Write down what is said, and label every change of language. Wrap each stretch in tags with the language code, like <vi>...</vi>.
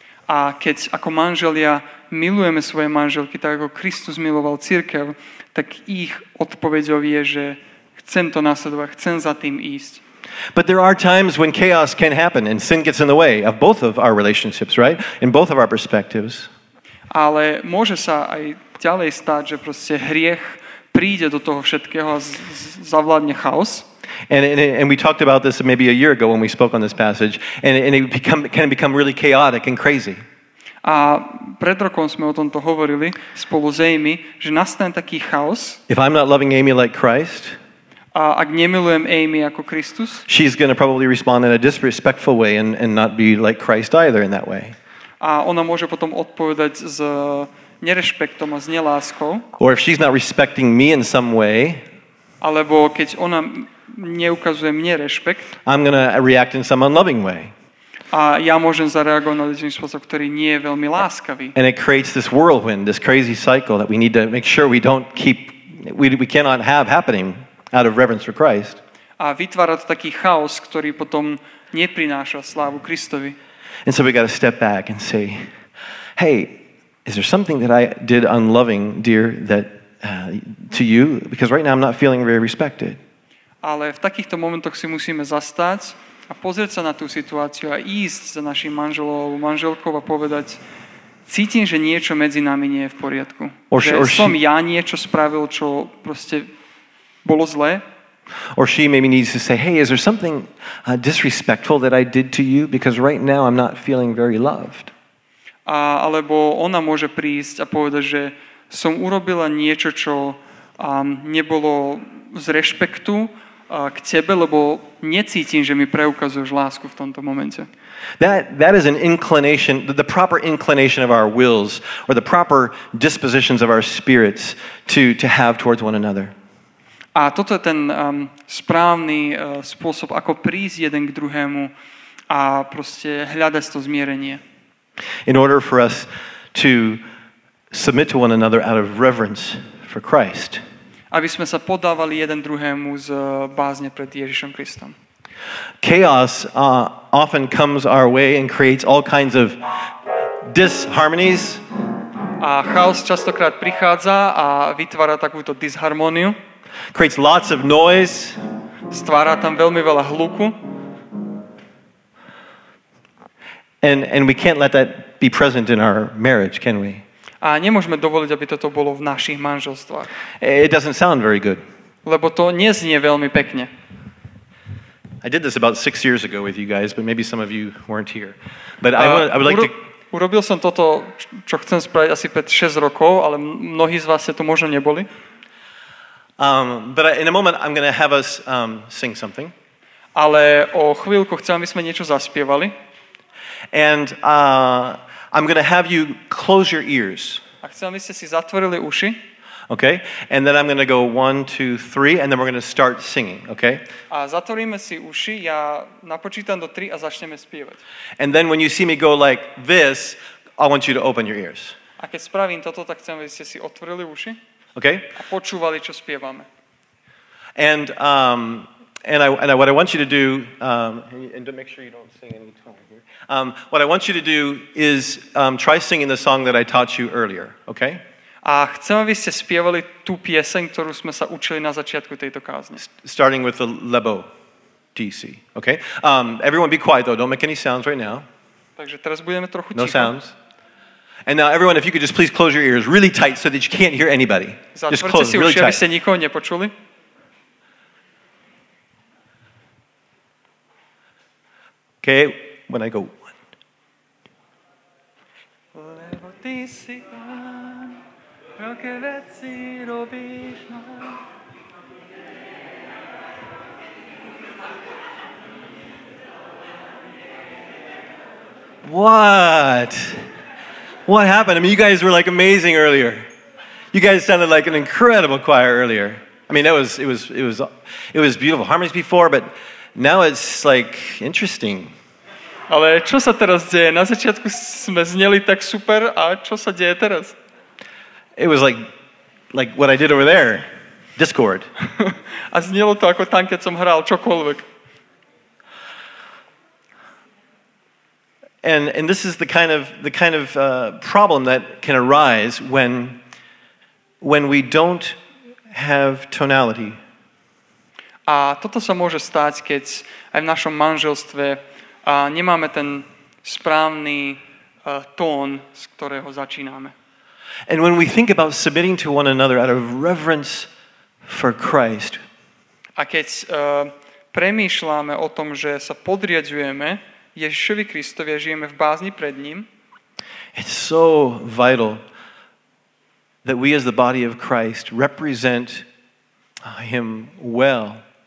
<sk>A keď ako manželia milujeme svoje manželky tak ako Kristus miloval cirkev, tak ich odpoveďou je, že chcem to nasledovať, chcem za tým ísť.</sk> <en>But there are times when chaos can happen and sin gets in the way of both of our relationships, right? In both of our perspectives.</en> <sk>Ale môže sa aj ďalej stať, že proste hriech príde do toho všetkého a zavládne chaos.</sk> <en>And we talked about this maybe a year ago when we spoke on this passage, and it can become really chaotic and crazy.</en> <sk>A pred rokom sme o tomto hovorili spolu s Amy, že nastane taký chaos.</sk> <en>If I'm not loving Amy like Christ,</en> <sk>a ak nemilujem Amy ako Kristus,</sk> <en>she's going to probably respond in a disrespectful way and not be like Christ either in that way.</en> <sk>A ona môže potom odpovedať s nerešpektom a s neláskou.</sk> <en>Or if she's not respecting me in some way,</en> <sk>alebo keď ona neukazuje mne rešpekt,</sk> <en>I'm going to react in some unloving way.</en> <sk>A ja môžem zareagovať na ten spôsob, ktorý nie je veľmi láskavý.</sk> <en>And it creates this whirlwind, this crazy cycle that we need to make sure we cannot have happening out of reverence for Christ.</en> <sk>A vytvára to taký chaos, ktorý potom neprináša slávu Kristovi.</sk> <en>And so we got to step back and say, hey, is there something that I did unloving, dear, that to you? Because right now I'm not feeling very respected.</en> <sk>Ale v takýchto momentoch si musíme zastať a pozrieť sa na tú situáciu a ísť za našim manželom alebo manželkou a povedať, cítim, že niečo medzi nami nie je v poriadku. Ja niečo spravil, čo proste bolo zlé.</sk> <en>Or she maybe needs to say, hey, is there something disrespectful that I did to you? Because right now I'm not feeling very loved.</en> <sk>Alebo ona môže prísť a povedať, že som urobila niečo, čo nebolo z rešpektu k tebe, lebo necítim, že mi preukazuješ lásku v tomto momente.</sk> <en>That is an inclination, the proper inclination of our wills or the proper dispositions of our spirits to have towards one another.</en> <sk>A toto je ten správny spôsob, ako prísť jeden k druhému a proste hľadať to zmierenie.</sk> <en>In order for us to submit to one another out of reverence for Christ.</en> <sk>Aby sme sa podávali jeden druhému z bázne pred Ježišom Kristom.</sk> <en>Chaos often comes our way and creates all kinds of disharmonies.</en> <sk>A chaos častokrát prichádza a vytvára takúto disharmóniu.</sk> <en>Creates lots of noise.</en> <sk>Stvára tam veľmi veľa hluku.</sk> <en>And we can't let that be present in our marriage, can we?</en> <sk>A nemôžeme dovoliť, aby toto bolo v našich manželstvách.</sk> <en>It doesn't sound very good.</en> <sk>Lebo to neznie veľmi pekne.</sk> <en>I did this about 6 years ago with you guys, but maybe some of you weren't here. But I would like to</en> <sk>urobil som toto, čo chcem spraviť asi 5-6 rokov, ale mnohí z vás sa tu možno neboli.</sk> <en>But in a moment I'm going to have us sing something.</en> <sk>Ale o chvíľku chcem, aby sme niečo zaspievali.</sk> <en>And I'm going to have you close your ears.</en> <sk>A chcem, aby ste si zatvorili uši.</sk> <en>Okay? And then I'm going to go 1, 2, 3 and then we're going to start singing, okay?</en> <sk>A zatvoríme si uši, ja napočítam do 3 a začneme spievať.</sk> <en>And then when you see me go like this, I want you to open your ears.</en> <sk>A keď spravím toto, tak chcem, aby ste si otvorili uši.</sk> <en>Okay?</en> <sk>A počúvali, čo spievame.</sk> <en>And what I want you to do and to make sure you don't sing any tone here. What I want you to do is try singing the song that I taught you earlier, okay?</en> <sk>A chcem, aby ste spievali tú pieseň, ktorú sme sa učili na začiatku tejto kázne.</sk> <en>Starting with the lebo DC, okay? Everyone be quiet though, don't make any sounds right now.</en> <sk>Takže teraz budeme trochu ticho.</sk> <en>No sounds. And now everyone, if you could just please close your ears really tight so that you can't hear anybody. Just close</en> <sk>si</sk> <en>really</en> <sk>uši,</sk> <en>tight.</en> <sk>Aby ste nikoho nepočuli.</sk> <en>Okay, when I go one.</en> <sk>Lebo ty si pán, veľké veci robíš nám.</sk> <en>What? What happened? I mean, you guys were like amazing earlier. You guys sounded like an incredible choir earlier. I mean, it was beautiful harmonies before, but now it's like interesting.</en> <sk>Ale čo sa teraz deje? Na začiatku sme zneli tak super, a čo sa deje teraz?</sk> <en>It was like what I did over there. Discord.</en> <sk>A znelo to ako tam, keď som hral čokoľvek.</sk> <en>And this is the kind of problem that can arise when we don't have tonality.</en> <sk>A toto sa môže stať, keď aj v našom manželstve nemáme ten správny tón, z ktorého začíname.</sk> <en>And when we think about submitting to one another out of reverence for Christ.</en> <sk>A keď premýšľame o tom, že sa podriadujeme Ježišovi Kristovi, žijeme v bázni pred ním.</sk> <en>It's so vital that we as the body of Christ represent him well.</en>